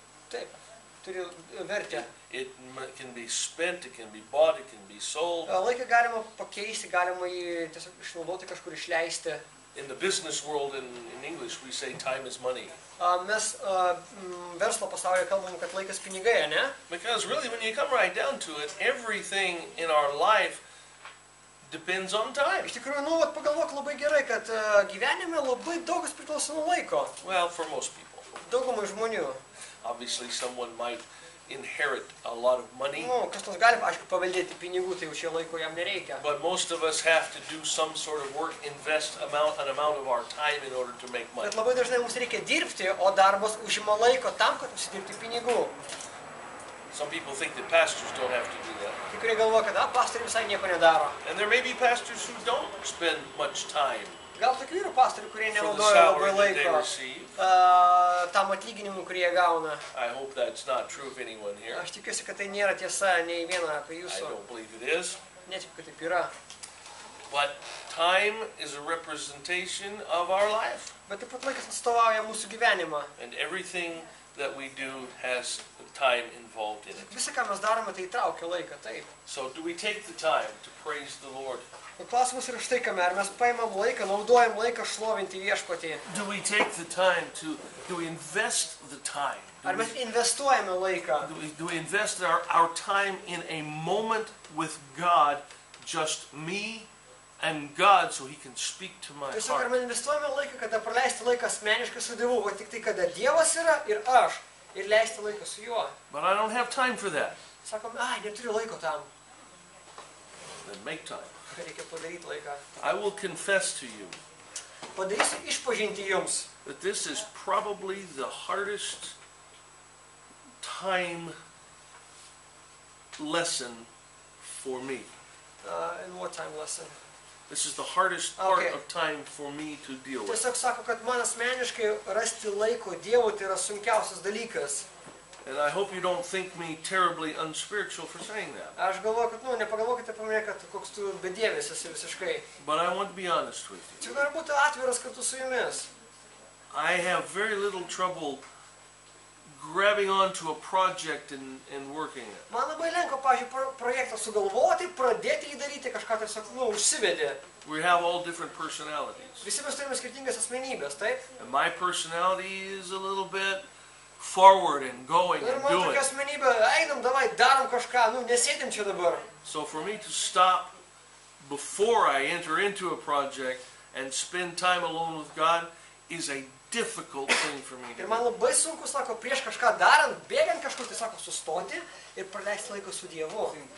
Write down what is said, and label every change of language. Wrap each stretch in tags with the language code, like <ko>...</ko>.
<lt>Taip, turi vertę.</lt> <en>It can be spent, it can be bought, it can be sold.</en> <lt>Laiką galima pakeisti, galima jį tiesiog išnaudoti, kažkur išleisti.</lt> <en>In the business world, in English, we say time is money.</en> <lt>Mes verslo pasaulyje kalbam, kad laikas pinigai, ne?</lt> <en>Because really, when you come right down to it, everything in our life depends on time.</en> <lt>Iš tikrųjų, nu, pagalvok labai gerai, kad gyvenime labai daugas priklauso nuo laiko.</lt> <en>Well, for most people.</en> <lt>Daugumai žmonių.</lt> <en>Obviously, someone might inherit a lot of money.</en> <lt>Nu, kas nors gali, aišku, paveldėti pinigų, tai jau šio laiko jam nereikia.</lt> <en>But most of us have to do some sort of work, invest an amount of our time in order to make money.</en> <lt>Bet labai dažnai mums reikia dirbti, o darbas užima laiko tam, kad užsidirbti pinigų.</lt> <en>Some people think that pastors don't have to do that.</en> <lt>Kai kurie galvoja, kad pastoriai visai nieko nedaro.</lt> <en>And there may be pastors who don't spend much time.</en> <lt>Gal tokių yra pastorių, kurie nenaudoja labai laiko tam atlyginimu, kurį jie gauna.</lt> <en>I hope that's not true of anyone here.</en> <lt>Aš tikiuosi, kad tai nėra tiesa nei viena apie jūsų.</lt> <en>I don't believe it is.</en> <lt>Netikiu, kad taip yra.</lt> <en>But time is a representation of our life.</en> <lt>Bet taip pat laikas atstovauja mūsų gyvenimą.</lt> <en>And everything that we do has time involved in it.</en> <lt>Visa, ką mes darome, tai įtraukia laiką, taip.</lt> <en>So do we take the time to praise the Lord?</en> <lt>Klausimas yra štai kame, ar mes paimam laiką, naudojam laiką šlovinti Viešpatį.</lt> <en>Do we take the time to, do we invest the time?</en> <lt>Ar mes investuojame laiką?</lt> <en>Do we invest our time in a moment with God, just me and God, so he can speak to my heart?</en> <lt>Tiesiog, ar mes investuojame laiką, kada praleisti laiką asmeniškai su Dievu, o tik tai, kada Dievas yra ir aš, ir leisti laiką su Juo.</lt> <en>But I don't have time for that.</en> <lt>Sakom, ai, neturiu laiko tam.</lt> <en>Then make time.</en> <lt>Reikia padaryti laiką.</lt> <en>I will confess to you.</en> <lt>Padarysiu išpažinti jums.</lt> <en>But this is probably the hardest time lesson for me. And what time lesson? This is the hardest part of time for me to deal with.</en> <lt>Tiesiog sako, kad man asmeniškai rasti laiko Dievo tai yra sunkiausias dalykas.</lt> <en>And I hope you don't think me terribly unspiritual for saying that.</en> <lt>Aš galvoju, kad, nu, nepagalvokite apie mane, kad koks tu bedievis esi visiškai.</lt> <en>But I want to be honest with you.</en> <lt>Tik noriu būti atviras kartu su jumis.</lt> <en>I have very little trouble grabbing onto a project and working it.</en> <lt>Man labai lengva, pavyzdžiui, projektą sugalvoti, pradėti jį daryti, kažką tai sakau, nu, užsivedė.</lt> <en>We have all different personalities.</en> <lt>Visi mes turime skirtingas asmenybes, taip?</lt> <en>And my personality is a little bit forward and going and doing.</en> <lt>Ir man tokia asmenybė, einam, davai, darom kažką, nu, nesėdim čia dabar.</lt> <en>So for me to stop before I enter into a project and spend time alone with God is a difficult thing for me to do.</en> <lt>Ir man labai sunku, sako, prieš kažką darant, bėgant kažkur, tai sako, sustoti ir praleisti laiko su Dievu.</lt>